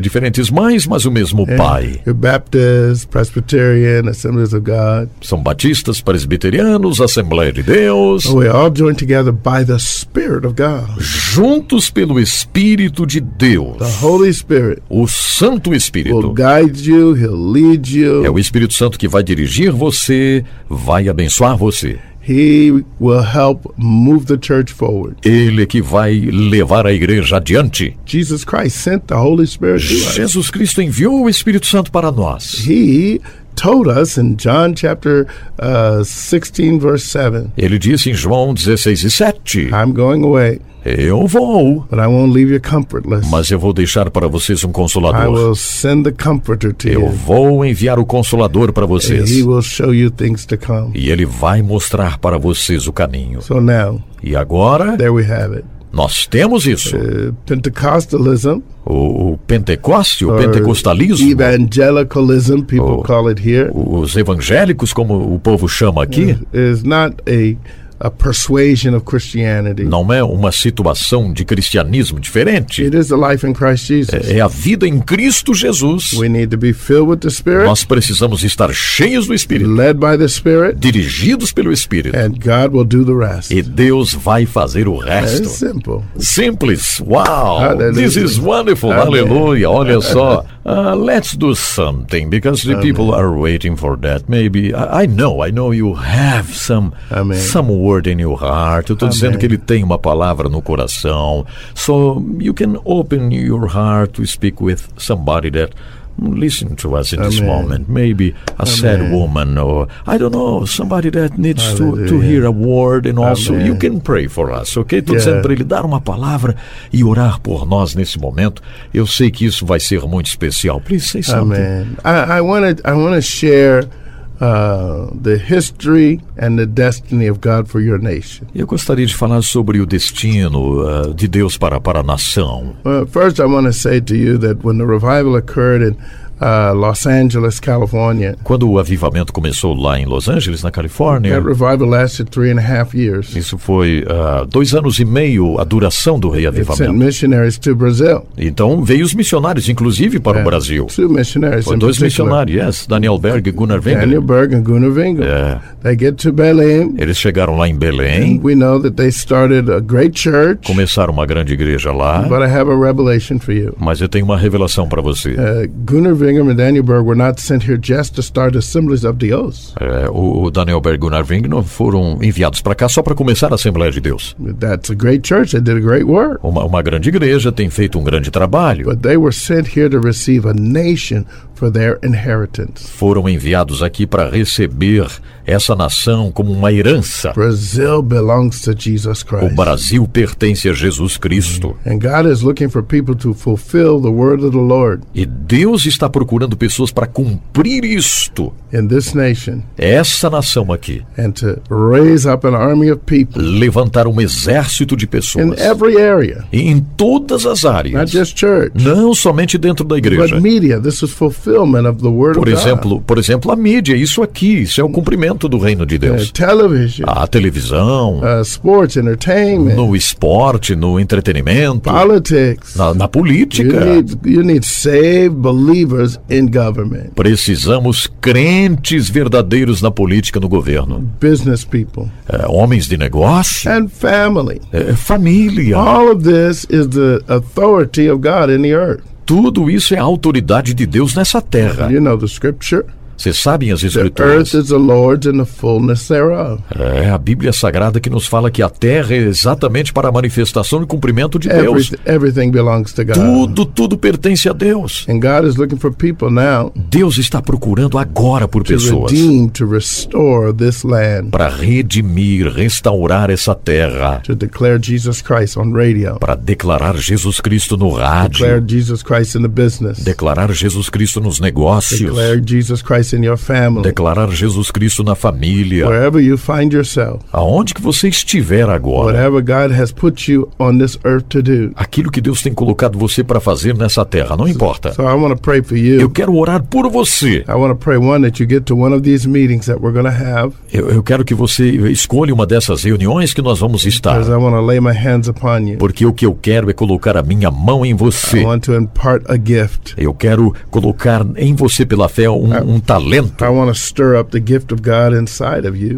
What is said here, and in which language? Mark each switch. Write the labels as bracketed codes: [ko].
[pt] Diferentes mães, mas o mesmo pai. [en] You're Baptist, Presbyterian, Assemblies of God. [pt] São batistas, presbiterianos, Assembleia de Deus. [en] We all join together by the Spirit of God. [pt] Juntos pelo Espírito de Deus. [en] The Holy Spirit. [pt] O Santo Espírito. [en] Will guide you, he'll lead you. [pt] É o Espírito Santo que vai dirigir você, vai abençoar você. [en] He will help move the church forward. [pt] Ele é que vai levar a igreja adiante. [en] Jesus Christ sent the Holy Spirit to us. [pt] Jesus Cristo enviou o Espírito Santo para nós. [en] He told us in John chapter 16 verse 7. [pt] Ele disse em João 16:7. [en] I'm going away. [pt] Eu vou. [en] But I won't leave you comfortless. [pt] Mas eu vou deixar para vocês um consolador. [en] I will send the comforter to [pt] eu [en] you. [pt] Eu vou enviar o consolador para vocês. [en] He will show you things to come. [pt] E ele vai mostrar para vocês o caminho. [en] So now. [pt] E agora? [en] There we have it. [pt] Nós temos isso. [en] Pentecostalism. [pt] O pentecostio, o pentecostalismo. [en] Evangelicalism, people call it here. [pt] Os evangélicos, como o povo chama aqui. [en] Is not a persuasion of Christianity. [pt] Não é uma situação de cristianismo diferente. [en] It is the life in Christ Jesus. [pt] É a vida em Cristo Jesus. [en] We need to be filled with the Spirit. [pt] Nós precisamos estar cheios do Espírito. [en] Led by the Spirit. [pt] Dirigidos pelo Espírito. [en] And God will do the rest. [pt] E Deus vai fazer o resto. [en] It's simple. [pt] Simples. Wow. [en] This is wonderful. [pt] Aleluia. Olha só. [en] Let's do something because the people are waiting for that. Maybe I know you have some word in your heart. [pt] Eu estou dizendo que ele tem uma palavra no coração. [en] So you can open your heart to speak with somebody that listen to us in this moment. Maybe sad woman or I don't know, somebody that needs to hear a word and also you can pray for us, ok? [pt] Estou dizendo para ele dar uma palavra e orar por nós nesse momento. Eu sei que isso vai ser muito especial. [en] Please say something. I want to share the history and the destiny of God for your nation. [pt] Eu gostaria de falar sobre o destino de Deus para a nação. [en] First, I want to say to you that when the revival occurred in Los Angeles, California. [pt] Quando o avivamento começou lá em Los Angeles, na Califórnia. [en] That revival lasted 3.5 years. [pt] Isso foi 2 anos e meio a duração do reavivamento. [en] It sent missionaries to Brazil. [pt] Então veio os missionários, inclusive para o Brasil. [en] Two missionaries. [pt] Foi dois missionários, yes, Daniel Berg e Gunnar Winkler. [en] Daniel Berg and Gunnar Winkler. They get to Belém. [pt] Eles chegaram lá em Belém. [en] And we know that they started a great church. [pt] Começaram uma grande igreja lá. [en] But I have a revelation for you. [pt] Mas eu tenho uma revelação para você. [en] Gunnar Winkler and Daniel Berg were not sent here just to start Assemblies of Deus. [pt] O Daniel Berg e Gunnar Winkler foram enviados para cá só para começar a Assembleia de Deus. [en] That's a great church. They did a great work. [pt] Uma grande igreja tem feito um grande trabalho. [en] But they were sent here to receive a nation for their inheritance. [pt] Foram enviados aqui para receber essa nação como uma herança. [en] Brazil belongs to Jesus Christ. [pt] O Brasil pertence a Jesus Cristo. [en] And God is looking for people to fulfill the word of the Lord. [pt] E Deus está procurando pessoas para cumprir isto. [en] In this nation. [pt] Essa nação aqui. [en] And to raise up an army of people. [pt] Levantar um exército de pessoas. [en] In every area. [pt] Em todas as áreas. [en] Not just church. [pt] Não somente dentro da igreja. [en] But media, this is fulfillment of the word of God. [pt] Por exemplo, a mídia, isso aqui, isso é o cumprimento do reino de Deus. [en] Television. [pt] A televisão. [en] Sports, entertainment. [pt] No esporte, no entretenimento. [en] Politics. [pt] Na política. [en] You need saved believers in government. [pt] Precisamos crentes verdadeiros na política, no governo. [en] Business people. [pt] Homens de negócio. [en] And family. [pt] Família. [en] All of this is the authority of God in the earth. [pt] Tudo isso é a autoridade de Deus nessa terra. [en] You know the scripture. [pt] Vocês sabem as escrituras? [en] The earth is the Lord's and the fullness thereof. [pt] É a Bíblia Sagrada que nos fala que a terra é exatamente para a manifestação e cumprimento de Deus. [en] Everything belongs to God. [pt] Tudo pertence a Deus. [en] And God is looking for people now. [pt] Deus está procurando agora por pessoas. [en] To redeem, to restore this land. [pt] Para redimir, restaurar essa terra. [en] To declare Jesus Christ on radio. [pt] Para declarar Jesus Cristo no rádio. [en] Declare Jesus Christ in the business. [pt] Declarar Jesus Cristo nos negócios. [en] Declare Jesus Christ. In your family. [pt] Declarar Jesus Cristo na família. [en] Wherever you find yourself. [pt] Aonde que você estiver agora. [en] Whatever God has put you on this earth to do. [pt] Aquilo que Deus tem colocado você para fazer nessa terra, não importa. [en] So I want to pray for you. [pt] Eu quero orar por você. [en] I want to pray one that you get to one of these meetings that we're going to have. [pt] Eu quero que você escolha uma dessas reuniões que nós vamos estar. [en] Because I want to lay my hands upon you. [pt] Porque o que eu quero é colocar a minha mão em você. [en] I want to impart a gift. [pt] Eu quero colocar em você pela fé um talento. [en] I want to stir up the gift of God inside of you.